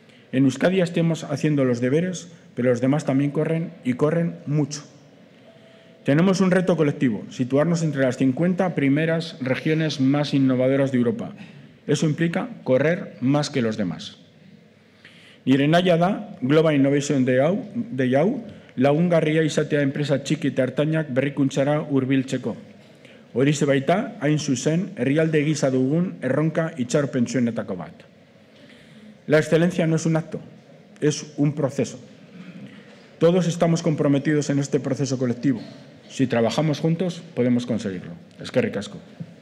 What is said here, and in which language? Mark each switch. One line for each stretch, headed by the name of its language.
Spanish: En Euskadi estamos haciendo los deberes, pero los demás también corren y corren mucho. Tenemos un reto colectivo, situarnos entre las 50 primeras regiones más innovadoras de Europa. Eso implica correr más que los demás.
Basque: Irenaia da, Global Innovation de Yau, lagungarria izatea enpresa txiki eta ertainak berrikuntzara hurbiltzeko. Horixe baita, hain zuzen, herrialde gisa dugun erronka itxaropentsuenetako bat.
Spanish: La excelencia no es un acto, es un proceso. Todos estamos comprometidos en este proceso colectivo. Si trabajamos juntos, podemos conseguirlo.
Basque: Eskerrik asko.